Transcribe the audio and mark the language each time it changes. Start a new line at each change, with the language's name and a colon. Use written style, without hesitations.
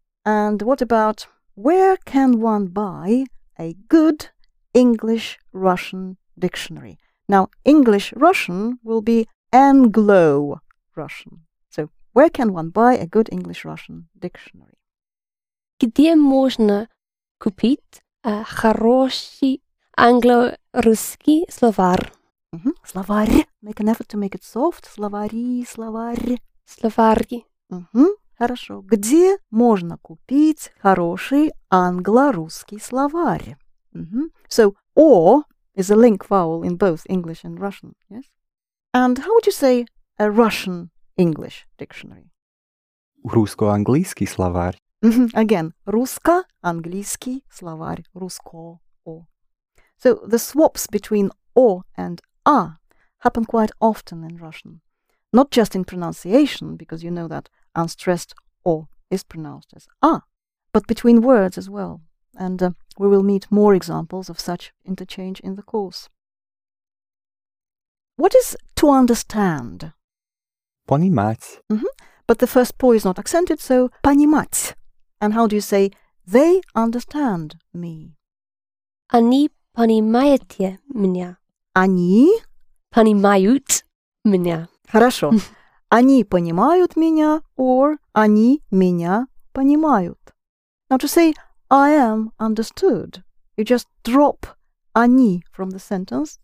English: And what about, where can one buy a good English-Russian dictionary? Now, English-Russian will be Anglo-Russian. So, where can one buy a good English-Russian dictionary?
Russian: Где можно купить хороший англо-русский словарь?
English: Mm-hmm. Словарь. Make an effort to make it soft. Словари, словарь.
Russian: Словарьи. Mm-hmm. Хорошо. Где можно купить хороший англо-русский словарь?
English: Mm-hmm. So, or is a link vowel in both English and Russian, yes? And how would you say a Russian-English dictionary?
Russian: Русско-английский словарь.
English: Mm-hmm. Again,
Russian: русско-английский словарь. Русско-о.
English: So, the swaps between о and а happen quite often in Russian. Not just in pronunciation, because you know that unstressed о is pronounced as а, but between words as well. And we will meet more examples of such interchange in the course. What is to understand?
Russian: Понимать.
English: Mm-hmm. But the first по is not accented, so понимать. And how do you say, they understand me?
Russian: Они понимаете меня. Они понимают меня. Хорошо. Они понимают меня, or они меня понимают.
English: Now to say, I am understood, you just drop они from the sentence.